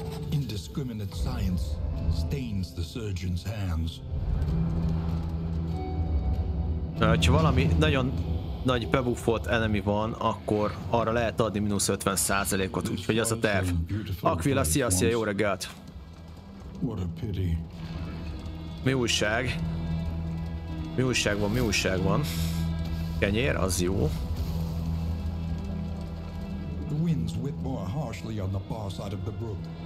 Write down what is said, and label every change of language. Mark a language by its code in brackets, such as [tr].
[en] Indiscriminate science stains the surgeon's hands. [hu] Ha valami nagyon nagy bebuffolt enemy van, akkor arra lehet adni mínusz 50%-ot, úgyhogy az a terv. Aquila, szia, jó reggelt! [en] What a pity. [hu] Mi újság? Mi újság van, mi újság van? Kenyér, az jó. [en] The winds whip more harshly on the far side of the brook.